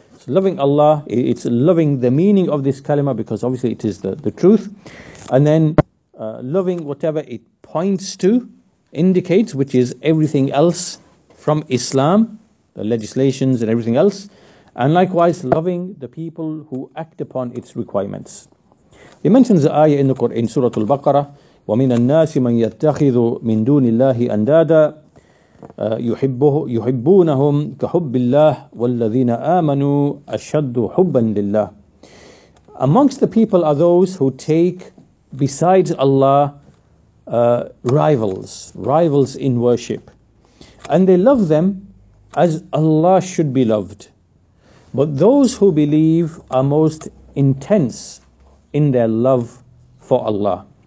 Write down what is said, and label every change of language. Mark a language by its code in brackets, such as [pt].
[en] It's loving Allah, it's loving the meaning of this kalima, because obviously it is the truth. And then loving whatever it points to, indicates, which is everything else from Islam, the legislations and everything else, and likewise loving the people who act upon its requirements. He mentions the ayah in the Quran, Surah Al-Baqarah, [ar] وَمِنَ النَّاسِ مَنْ يَتَّخِذُ مِنْ دُونِ اللَّهِ أَنْدَادًا يُحِبُّونَهُمْ كَحُبِّ اللَّهِ وَالَّذِينَ آمَنُوا أَشَدُّ حُبًّا لِلَّهِ. [en] Amongst the people are those who take besides Allah rivals in worship, and they love them as Allah should be loved. But those who believe are most intense in their love for Allah.